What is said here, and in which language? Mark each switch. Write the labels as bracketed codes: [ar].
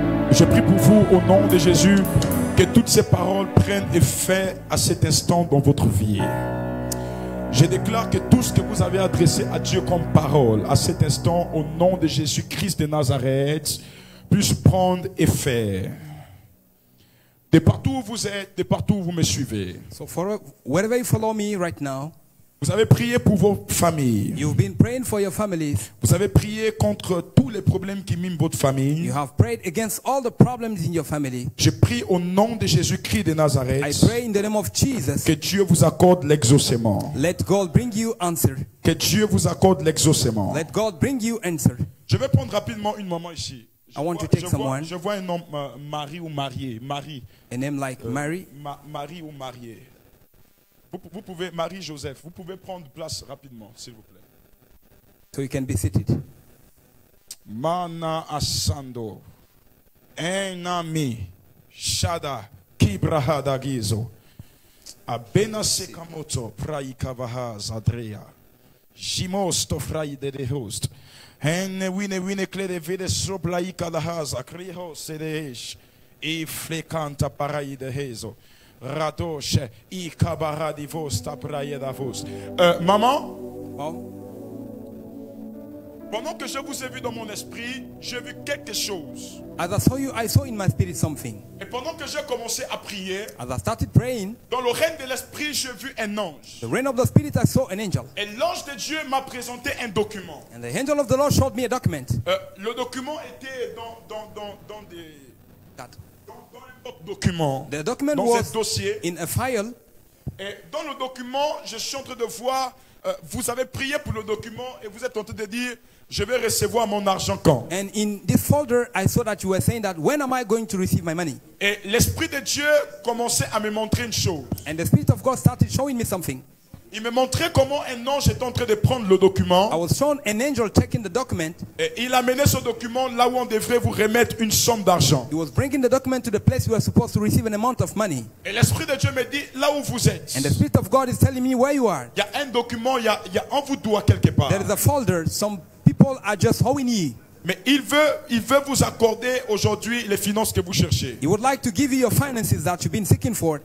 [fr] Je prie pour vous au nom de Jésus que toutes ces paroles prennent effet à cet instant dans votre vie. Je déclare que tout ce que vous avez adressé à Dieu comme parole à cet instant au nom de Jésus-Christ de Nazareth puisse prendre effet. De partout où vous êtes, de partout où vous me suivez. [en] So for wherever you follow me right now. [fr] Vous avez prié pour vos familles. [en] You've been praying for your families. [fr] Vous avez prié contre tous les problèmes qui minent votre famille. [en] You have prayed against all the problems in your family. [fr] Je prie au nom de Jésus-Christ de Nazareth. [en] I pray in the name of Jesus. [fr] Que Dieu vous accorde l'exaucement. [en] Let God bring you answer. [fr] Que Dieu vous accorde l'exaucement. [en] Let God bring you answer. [fr] Je vais prendre rapidement une maman ici. [en] I want to take someone. [fr] Je vois un nom Marie ou mariée. Marie. [en] A name like Marie. [fr] Marie ou mariée. Vous pouvez, Marie-Joseph, vous pouvez prendre place rapidement, s'il vous plaît. [en] So you can be seated. Mana Asando, Enami, Shada, Kibrahada Gizo, Abena Sekamoto, Frai Kavaha Zadrea, Jimos to Frai de the host, Enne Wine Wine Clede Vede Soblai Kadahaza, Kriho Sedeish, E Flecanta Parai de Hezo. Radoche, I kabara di vos tapraye da vos. Maman, oh. [fr] Pendant que je vous ai vu dans mon esprit, j'ai vu quelque chose. [en] As I saw you, I saw in my spirit something. [fr] Et pendant que j'ai commencé à prier, [en] as I started praying, [fr] dans le règne de l'esprit, j'ai vu un ange. [en] The reign of the spirit, I saw an angel. [fr] Et l'ange de Dieu m'a présenté un document. [en] And the angel of the Lord showed me a document. [fr] Le document était dans des. [en] The document [fr] dans [en] was dossier. In a file. [fr] Et dans le document, je suis en train de voir, vous avez prié pour le document et vous êtes en train de dire, je vais recevoir mon argent quand. [en] And in this folder, I saw that you were saying that when am I going to receive my money? [fr] Et l'esprit de Dieu commençait à me montrer une chose. [en] And the spirit of God started showing me something. [fr] Il me montrait comment un ange était en train de prendre le document. [en] I was shown an angel taking the document. [fr] Et il amenait ce document là où on devrait vous remettre une somme d'argent. [en] He was bringing the document to the place you are supposed to receive an amount of money. [fr] Et l'esprit de Dieu me dit là où vous êtes. [en] And the spirit of God is telling me where you are. [fr] Il y a un document, il y a on vous doit quelque part. [en] There is a folder. Some people are just owing you. [fr] Mais il veut vous accorder aujourd'hui les finances que vous cherchez. [en] He would like to give you your finances that you've been seeking for.